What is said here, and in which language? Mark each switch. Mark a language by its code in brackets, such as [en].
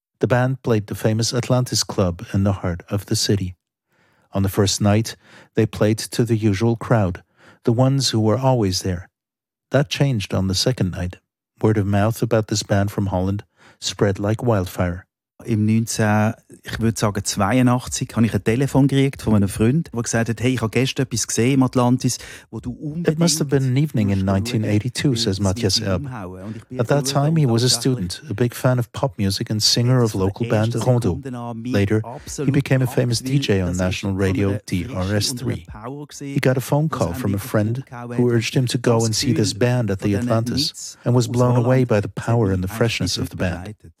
[en] The band played the famous Atlantis Club in the heart of the city. On the first night, they played to the usual crowd, the ones who were always there. That changed on the second night. Word of mouth about this band from Holland spread like wildfire. [de] im 1982 habe ich ein Telefon gekriegt von einem Freund, der gesagt hat, hey, ich habe gestern etwas gesehen im Atlantis, wo du unbedingt... [en] It must have been an evening in 1982, says Matthias Erb. At that time he was a student, a big fan of pop music and singer of local band Rondo. Later, he became a famous DJ on national radio DRS3. He got a phone call from a friend who urged him to go and see this band at the Atlantis and was blown away by the power and the freshness of the band.